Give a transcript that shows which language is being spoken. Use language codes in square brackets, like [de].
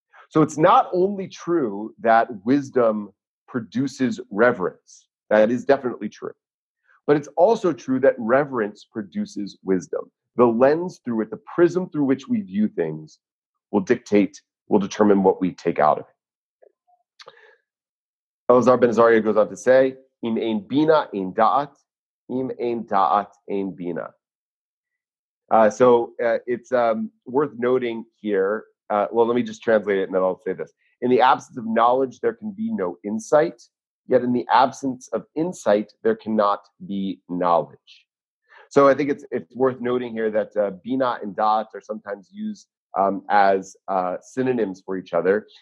[en] So it's not only true that wisdom produces reverence. That is definitely true. But it's also true that reverence produces wisdom. The lens through it, the prism through which we view things will determine what we take out of it. [he] Elazar ben Azariah [en] goes on to say, [he] im ein bina, ein da'at, im ein da'at, ein bina. [en] So it's worth noting here, let me just translate it and then I'll say this. In the absence of knowledge, there can be no insight. Yet in the absence of insight, there cannot be knowledge. So I think it's worth noting here that bina and da'at are sometimes used as synonyms for each other.